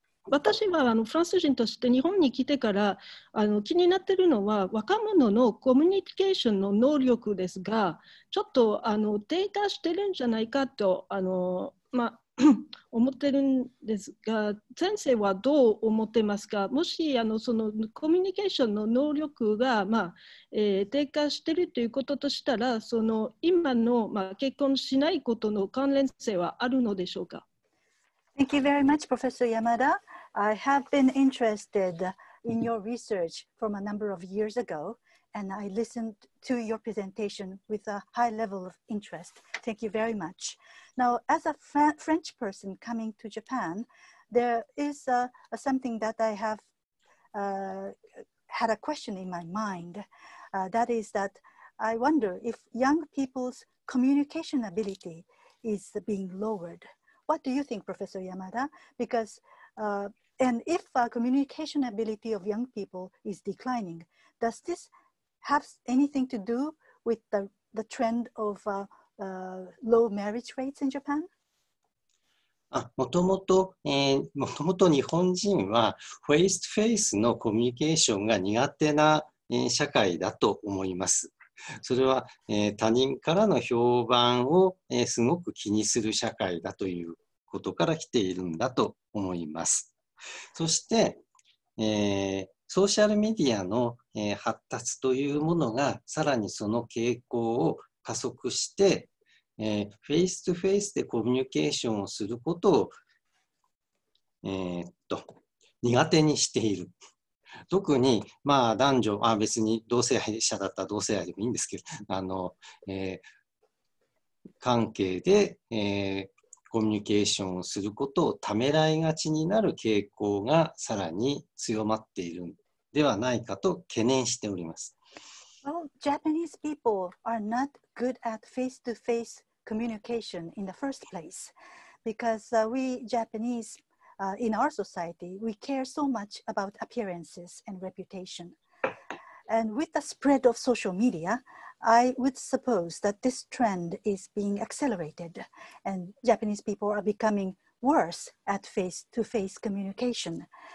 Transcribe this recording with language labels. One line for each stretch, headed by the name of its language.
Japanese: 私はフランス人として日本に来てから気になっているのは若者のコミュニケーションの能力ですが、ちょっと低下してるんじゃないかと思ってるんですが、先生はどう思ってますか？もしそのコミュニケーションの能力が、低下しているということとしたら、その今の、結婚しないことの関連性はあるのでしょうか？
English: Thank you very much, Professor Yamada. I have been interested in your research from a number of years ago, and I listened to your presentation with a high level of interest. Thank you very much. Now, as a French person coming to Japan, there is something that I have had a question in my mind. That is that I wonder if young people's communication ability is being lowered. What do you think, Professor Yamada? Because, and if communication ability of young people is declining, does this have anything to do with the trend of low marriage rates in Japan?
Japanese: もともと日本人はフェイスとフェイスのコミュニケーションが苦手な、社会だと思います。それは、他人からの評判を、すごく気にする社会だということから来ているんだと思います。そして、ソーシャルメディアの、発達というものがさらにその傾向を加速して、フェイスとフェイスでコミュニケーションをすることを、苦手にしている。特に、男女、別に同性愛者だったら同性愛でもいいんですけど、関係で、コミュニケーションをすることをためらいがちになる傾向がさらに強まっているのではないかと懸念しております。
English: Well, Japanese people are not good at face-to-face communication in the first place, because we Japanese, in our society, we care so much about appearances and reputation. And with the spread of social media, I would suppose that this trend is being accelerated, and Japanese people are becoming worse at face-to-face communication.